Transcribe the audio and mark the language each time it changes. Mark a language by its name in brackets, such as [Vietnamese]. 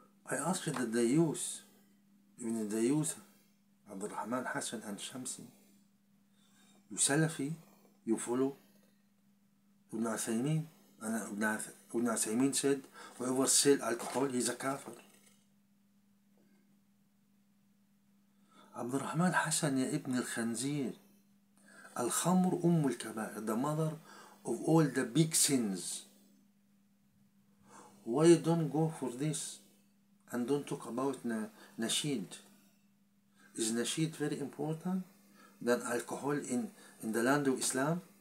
[English] I ask you that the youth, even the youth, Abdul Rahman, Hassan, and Shamsi, you Salafi, you follow Ibn Uthaymeen, and Ibn Uthaymeen said, whoever sell alcohol, he's a kafir. [Arabic] عبد الرحمن حسن يا ابن الخنزير، الخمر أم الكبائر، [English] the mother of all the big sins. Why you don't go for this and don't talk about nasheed? Is nasheed very important than alcohol in the land of Islam?